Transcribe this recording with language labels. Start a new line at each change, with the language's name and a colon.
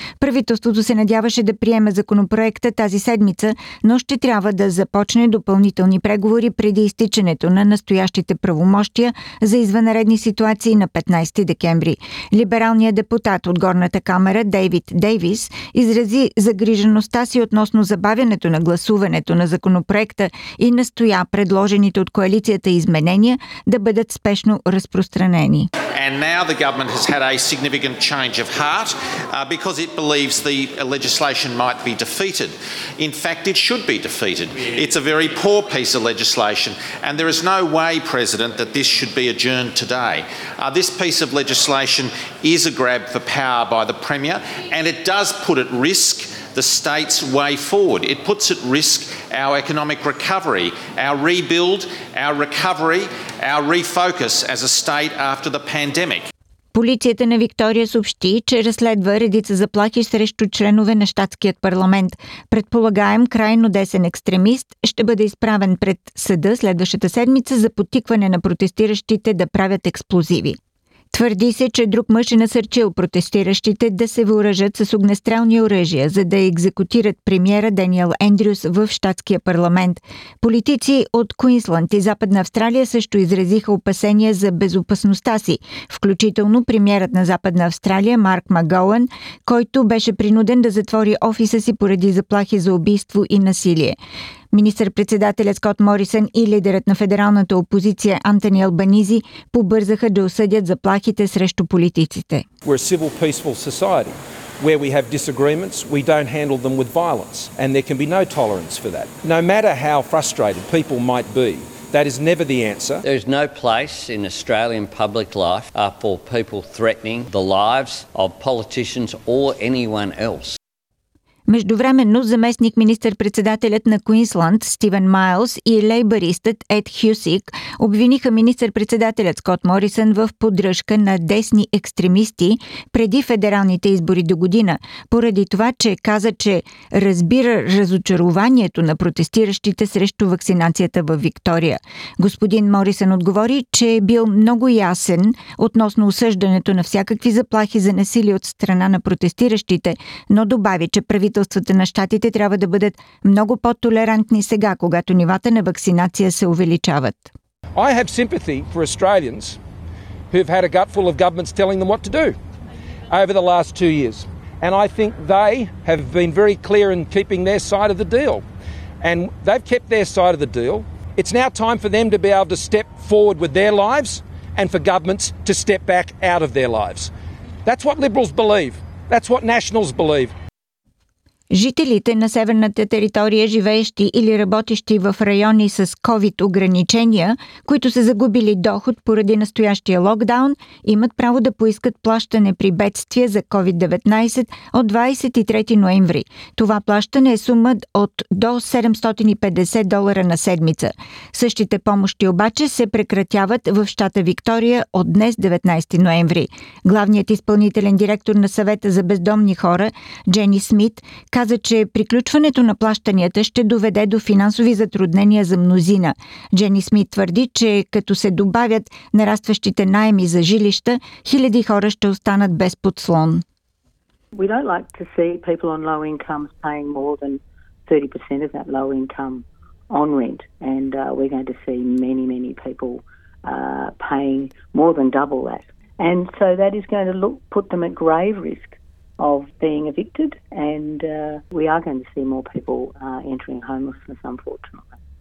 Bulgarian: Правителството се надяваше да приеме законопроекта тази седмица, но ще трябва да започне допълнителни преговори преди изтичането на настоящите правомощия за извънредни ситуации на 15 декември. Либералният депутат от Горната камера Дейвид Дейвис изрази загрижеността си относно забавянето на гласуването на законопроекта и настоя предложените от коалицията изменения да бъдат спешно разпространени.
English: And now the government has had a significant change of heart because it believes the legislation might be defeated. In fact, it should be defeated. It's a very poor piece of legislation and there is no way, President, that this should be adjourned today. This piece of legislation is a grab for power by the Premier and it does put at risk the state's way forward. It puts at risk our economic recovery, our rebuild, our recovery, our refocus as a state after the pandemic.
Bulgarian: Полицията на Виктория съобщи, че разследва редица заплахи срещу членове на щатският парламент. Предполагаем, крайно десен екстремист ще бъде изправен пред съда следващата седмица за подтикване на протестиращите да правят експлозиви. Твърди се, че друг мъж е насърчил протестиращите да се въоръжат с огнестрелни оръжия, за да екзекутират премиера Даниел Ендрюс в щатския парламент. Политици от Куинсланд и Западна Австралия също изразиха опасения за безопасността си, включително премиерът на Западна Австралия Марк Магоан, който беше принуден да затвори офиса си поради заплахи за убийство и насилие. Министър-председателят Скот Морисън и лидерът на федералната опозиция Антони Албанизи побързаха да осъдят заплахите срещу политиците.
English: We're a civil, peaceful society where we have disagreements, we don't handle them with violence, and there can be no tolerance for that. No matter how frustrated people might be, that is never the answer. There's no place in Australian public life for people threatening the lives of politicians or anyone else.
Bulgarian: Междувременно, заместник министър-председателят на Куинсланд Стивен Майлс и лейбористът Ед Хюсик обвиниха министър-председателят Скот Морисън в поддръжка на десни екстремисти преди федералните избори до година, поради това, че каза, че разбира разочарованието на протестиращите срещу вакцинацията във Виктория. Господин Морисън отговори, че е бил много ясен относно осъждането на всякакви заплахи за насилие от страна на протестиращите, но добави, че правителството на щатите трябва да бъдат много по-толерантни сега, когато нивата на вакцинация се увеличават.
English: I have sympathy for Australians who've had a gutful of governments telling them what to do over the last two years. And I think they have been very clear in keeping their side of the deal. And they've kept their side of the deal. It's now time for them to be able to step forward with their lives and for governments to step back out of their lives. That's what liberals believe. That's what nationals believe.
Bulgarian: Жителите на северната територия, живеещи или работещи в райони с COVID-ограничения, които са загубили доход поради настоящия локдаун, имат право да поискат плащане при бедствия за COVID-19 от 23 ноември. Това плащане е сума от до $750 на седмица. Същите помощи обаче се прекратяват в щата Виктория от днес 19 ноември. Главният изпълнителен директор на Съвета за бездомни хора, Дженни Смит, каза, че приключването на плащанията ще доведе до финансови затруднения за мнозина. Дженни Смит твърди, че като се добавят нарастващите наеми за жилища, хиляди хора ще останат без подслон.
English: We don't like to see people on low incomes paying more than 30% of that low income on rent. And we're going to see many, many people paying more than double that. And so that is going to put them at grave risk of being evicted, and we are going to see more people entering homelessness, unfortunately.